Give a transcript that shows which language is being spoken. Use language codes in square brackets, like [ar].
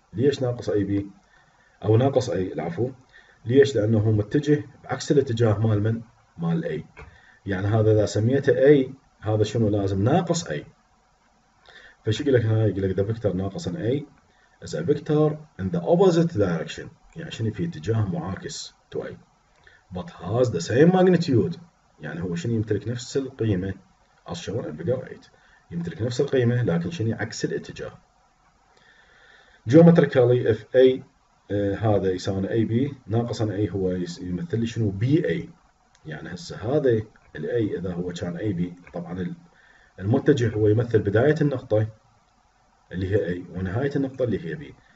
[ar] ليش ناقص اي بي؟ او ناقص اي العفو. ليش؟ لانه هو متجه بعكس الاتجاه مال من؟ مال اي. يعني هذا اذا سميته اي هذا شنو لازم؟ ناقص اي. فشو يقول لك هنا؟ يقول لك [en] The vector ناقص A is a vector in the opposite direction. [ar] يعني شنو؟ في اتجاه معاكس تو اي. [en] But has the same magnitude. [ar] يعني هو شنو يمتلك نفس القيمة؟ [en] As shown in figure 8. [ar] يمتلك نفس القيمة لكن شنو عكس الاتجاه. [en] Geometrically if A [ar] هذا يساوي AB ناقص A هو يمثل لي شنو؟ BA. يعني هسه هذا الـ A إذا هو كان AB طبعا المتجه هو يمثل بداية النقطة اللي هي A ونهاية النقطة اللي هي B.